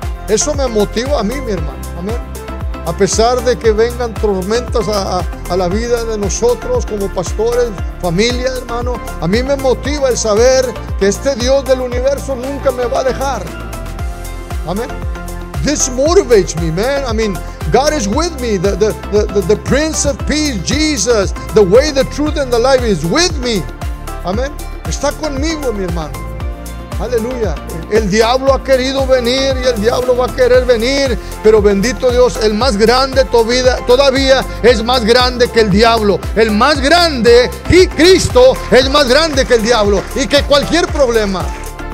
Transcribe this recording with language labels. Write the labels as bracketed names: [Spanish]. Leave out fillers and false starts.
[Spanish] Eso me motiva a mí, mi hermano. Amén. A pesar de que vengan tormentas a la vida de nosotros como pastores, familia, hermano, a mí me motiva el saber que este Dios del universo nunca me va a dejar. Amén. [English] This motivates me, man. I mean, God is with me. The Prince of Peace, Jesus, the way, the truth, and the life is with me. [Spanish] Amén. Está conmigo, mi hermano. Aleluya. El diablo ha querido venir y el diablo va a querer venir, pero bendito Dios, el más grande de tu vida todavía es más grande que el diablo. El más grande, y Cristo, es más grande que el diablo y que cualquier problema.